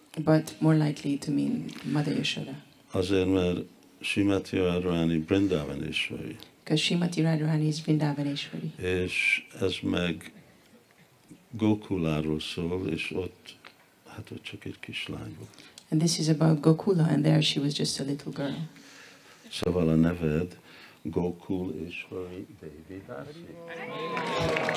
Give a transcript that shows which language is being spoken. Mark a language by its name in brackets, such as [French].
[English] But more likely to mean Mother Yashoda. [Hungarian] Azért, mert Simati Radharani Vrindavanesvari. [English] Because Simati Radharani is Vrindavanesvari. [Hungarian] És ez meg Gokuláról szól, és ott, hát ott csak egy kislány volt. [English] And this is about Gokula, and there she was just a little girl. [Hungarian] Szóval a neved Gokul és Hari Devi Dasi.